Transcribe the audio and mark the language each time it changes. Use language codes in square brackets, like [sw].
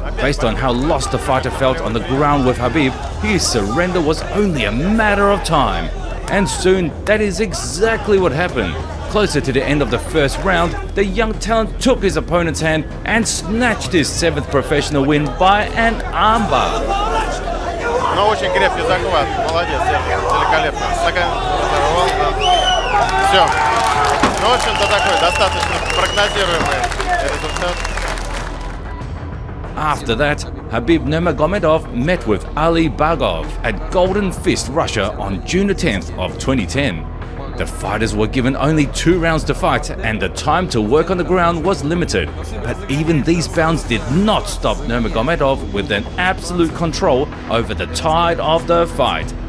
[en] Based on how lost the fighter felt on the ground with Khabib, his surrender was only a matter of time. And soon, that is exactly what happened. Closer to the end of the first round, the young talent took his opponent's hand and snatched his seventh professional win by an armbar. [ru] Ну очень крепкий захват. Молодец, великолепно. Такая. Все. Ну, в общем-то, такой достаточно прогнозируемый результат. [en] After that, Khabib Nurmagomedov met with Ali Bagov at Golden Fist Russia on June 10th of 2010. The fighters were given only two rounds to fight and the time to work on the ground was limited. But even these bouts did not stop Nurmagomedov with an absolute control over the tide of the fight.